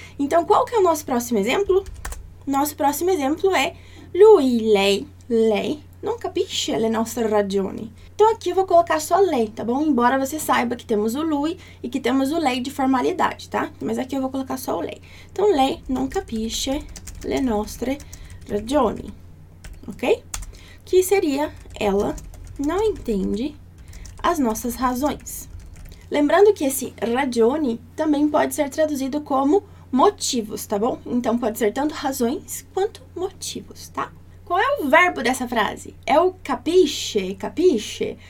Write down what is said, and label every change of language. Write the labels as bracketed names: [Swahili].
[Portuguese] Então, qual que é o nosso próximo exemplo? Nosso próximo exemplo é lui, lei, non capisce le nostre ragioni. Então, aqui eu vou colocar só lei, tá bom? Embora você saiba que temos o lui e que temos o lei de formalidade, tá? Mas aqui eu vou colocar só o lei. [Italian] Então, lei non capisce le nostre ragioni, ok? [Portuguese] Que seria ela não entende as nossas razões. Lembrando que esse ragione também pode ser traduzido como motivos, tá bom? Então pode ser tanto razões quanto motivos, tá? Qual é o verbo dessa frase? É o capisce, capisce.